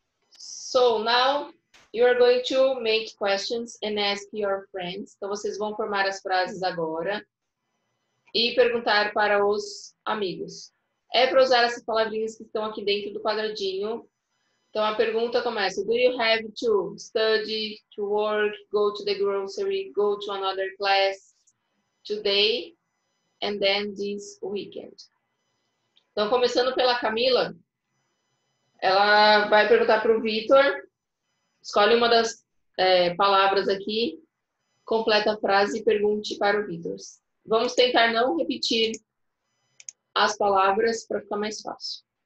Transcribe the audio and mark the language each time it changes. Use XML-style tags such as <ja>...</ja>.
<en>So now you are going to make questions and ask your friends.</en> <pt>Então vocês vão formar as frases agora e perguntar para os amigos. É para usar essas palavrinhas que estão aqui dentro do quadradinho. Então a pergunta começa:</pt> <en>Do you have to study, to work, go to the grocery, go to another class today and then this weekend?</en> <pt>Então começando pela Camila. Ela vai perguntar para o Vitor, escolhe uma das palavras aqui, completa a frase e pergunte para o Vitor. Vamos tentar não repetir as palavras para ficar mais fácil.</pt>